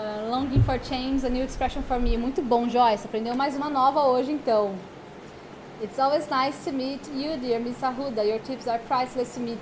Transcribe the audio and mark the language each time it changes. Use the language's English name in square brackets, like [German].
[English] Longing for change, a new expression for me. [Portuguese] Muito bom, Joyce. Aprendeu mais uma nova hoje, então. [English] It's always nice to meet you, dear Miss Arruda. Your tips are priceless to me.